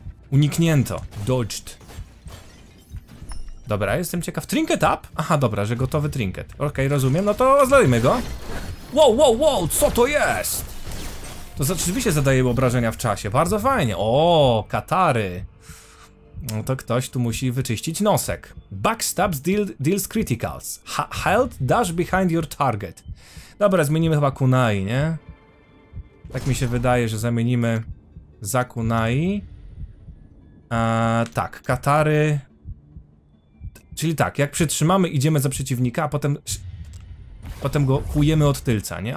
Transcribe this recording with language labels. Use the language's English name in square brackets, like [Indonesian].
[Polish] Uniknięto. Dodged. Dobra, jestem ciekaw. [English] Trinket up? [Polish] Aha, dobra, że gotowy trinket. Okej, okay, rozumiem, no to rozlejmy go. Wow, wow, wow, co to jest? To rzeczywiście zadaje obrażenia w czasie, bardzo fajnie. O, katary. No to ktoś tu musi wyczyścić nosek. [English] Backstabs deals criticals. Health dash behind your target. [Polish] Dobra, zmienimy chyba kunai, nie? Tak mi się wydaje, że zamienimy za kunai. Tak, katary. Czyli tak, jak przytrzymamy, idziemy za przeciwnika, a potem go kujemy od tylca, nie?